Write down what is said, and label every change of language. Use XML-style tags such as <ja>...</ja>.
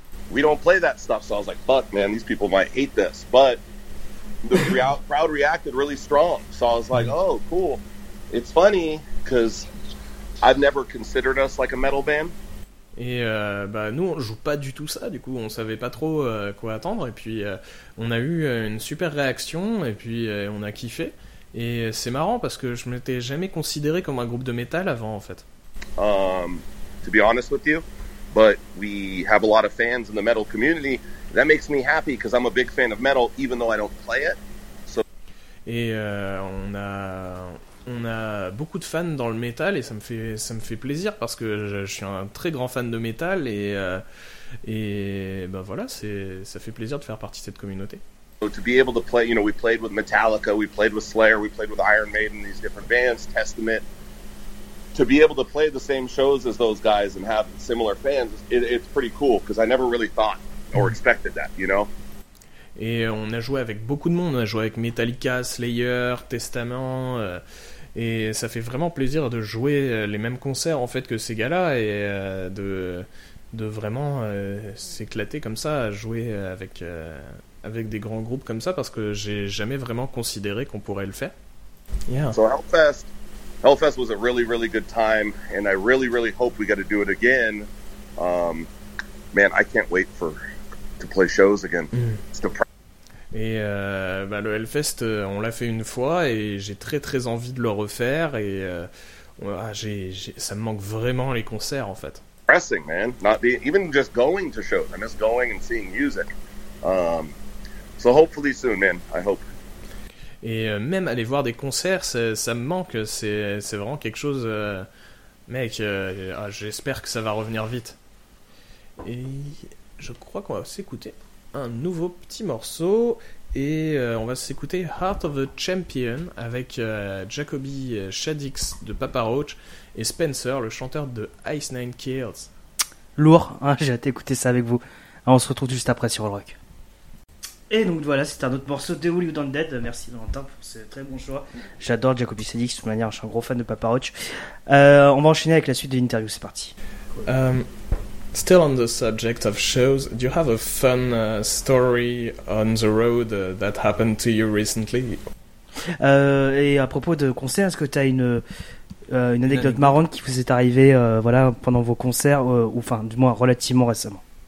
<en>We don't play that stuff, so I was like, fuck man, these people might hate this. But the crowd reacted really strong, so I was like, oh cool. It's funny, because I've never considered us like a metal band.</en> <fr>Et nous on joue pas du tout ça, du coup on savait pas trop quoi attendre, et puis on a eu une super réaction, et puis on a kiffé, et c'est marrant parce que je m'étais jamais considéré comme un groupe de métal avant en fait.</fr> <en>To be honest with you, but we have a lot of fans in the metal community, that makes me happy because I'm a big fan of metal even though I don't play it. So...</en> <fr>Et on a... on a beaucoup de fans dans le métal, et ça me fait plaisir parce que je suis un très grand fan de métal, et ben voilà, ça fait plaisir de faire partie de cette communauté.</fr> <en>To be able to play, you know, we played with Metallica, we played with Slayer, we played with Iron Maiden, these different bands, Testament. To be able to play the same shows as those guys and have similar fans, it's pretty cool, because I never really thought or expected that, you know?</en> <fr>Et on a joué avec beaucoup de monde, on a joué avec Metallica, Slayer, Testament, et ça fait vraiment plaisir de jouer les mêmes concerts, en fait, que ces gars-là, et de vraiment s'éclater comme ça, à jouer avec, avec des grands groupes comme ça, parce que j'ai jamais vraiment considéré qu'on pourrait le faire.</fr> <en>Yeah. So Hellfest was a really, really good time, and I really, really hope we get to do it again. Man, I can't wait to play shows again.</en> <fr>Le Hellfest, on l'a fait une fois, et j'ai très, très envie de le refaire, et ça me manque vraiment les concerts, en fait.</fr> <en>Pressing, man. Even just going to shows. I miss going and seeing music. So hopefully soon, man. I hope.</en> <fr>Et même aller voir des concerts, ça me manque, c'est vraiment quelque chose... j'espère que ça va revenir vite. Et je crois qu'on va s'écouter un nouveau petit morceau, et on va s'écouter Heart of the Champion avec Jacoby Shaddix de Papa Roach et Spencer, le chanteur de Ice Nine Kills. Lourd, hein, j'ai hâte d'écouter ça avec vous. Alors, on se retrouve juste après sur All Rock. Et donc voilà, c'est un autre morceau de Hollywood Undead. Merci Valentin pour ce très bon choix. J'adore Jacoby Shaddix, de toute manière, je suis un gros fan de Papa Roach. On va enchaîner avec la suite de l'interview, c'est parti.</fr> <en>Still on the subject of shows, do you have a fun story on the road that happened to you recently?</en> <fr>Et à propos de concerts, est-ce que tu as une anecdote marrante qui vous est arrivée pendant vos concerts, du moins relativement récemment?</fr>